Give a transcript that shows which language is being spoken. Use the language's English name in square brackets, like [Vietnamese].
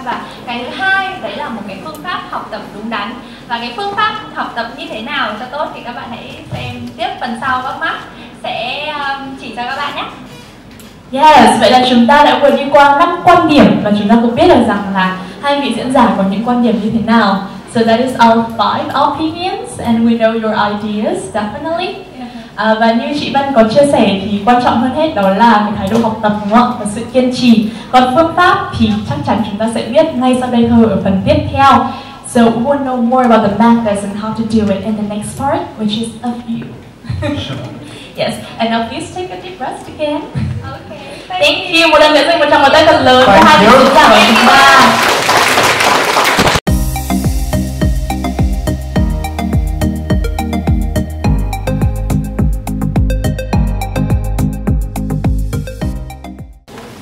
[Vietnamese] Và cái thứ hai đấy là một cái phương pháp học tập đúng đắn. Và cái phương pháp học tập như thế nào cho tốt thì các bạn hãy xem tiếp phần sau, các Mark sẽ chỉ cho các bạn nhé. Yes, vậy là chúng ta đã vừa đi qua 5 quan điểm và chúng ta cũng biết được rằng là hai vị diễn giả có những quan điểm như thế nào. [English] So that is our 5 opinions and we know your ideas, definitely. [Vietnamese] Và như chị Vân có chia sẻ thì quan trọng hơn hết đó là cái thái độ học tập, đúng không, và sự kiên trì. Còn phương pháp thì chắc chắn chúng ta sẽ biết ngay sau đây thôi ở phần tiếp theo. [English] So we want to know more about the methods and how to do it in the next part, which is a few. Sure. Yes, and now please take a deep breath again. Okay. Thank you. [Vietnamese] Một lần nữa dành một tràng pháo tay thật lớn cho hai diễn giả của chúng ta.